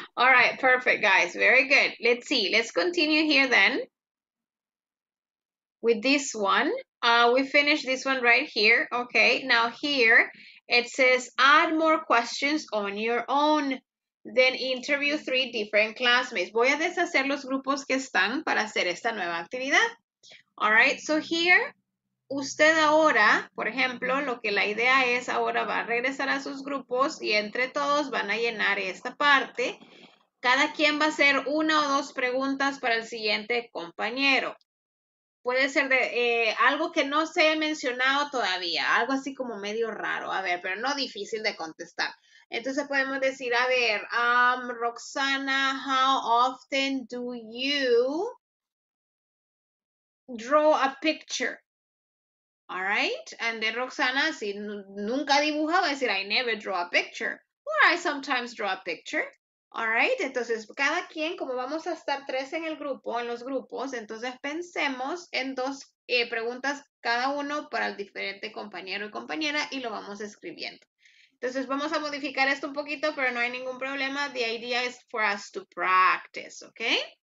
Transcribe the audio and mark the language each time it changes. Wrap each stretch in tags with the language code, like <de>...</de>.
<en>All right, perfect, guys. Very good. Let's see. Let's continue here then. With this one, we finished this one right here. Okay, now here it says add more questions on your own, then interview three different classmates.</en> <es>Voy a deshacer los grupos que están para hacer esta nueva actividad.</es> <en>All right, so here,</en> <es>usted ahora, por ejemplo, lo que la idea es ahora va a regresar a sus grupos y entre todos van a llenar esta parte. Cada quien va a hacer una o dos preguntas para el siguiente compañero. Puede ser de algo que no se haya mencionado todavía, algo así como medio raro, a ver, pero no difícil de contestar. Entonces podemos decir, a ver,</es> <en>Roxana, how often do you draw a picture? All right, and then Roxana,</en> <es>si nunca dibujaba, va a decir,</es> <en>I never draw a picture. Or I sometimes draw a picture. All right,</en> <es>entonces cada quien, como vamos a estar tres en el grupo, en los grupos, entonces pensemos en dos preguntas cada uno para el diferente compañero y compañera y lo vamos escribiendo. Entonces vamos a modificar esto un poquito, pero no hay ningún problema.</es> <en>The idea is for us to practice, okay?</en>